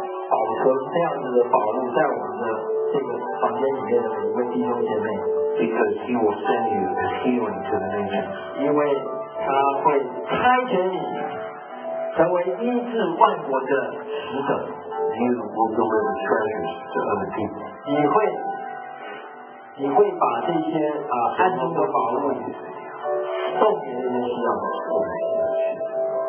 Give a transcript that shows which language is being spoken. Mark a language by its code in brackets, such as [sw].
[zh] 保存这样子的宝物在我们的这个房间里面的每一位弟兄姐妹 [en] Because He will send you a healing to the nations. [zh] 因为他会差遣你成为医治万国的使者. [en] You will deliver treasures to other people. [zh] 你会把这些暗中的宝物送给那些需要的。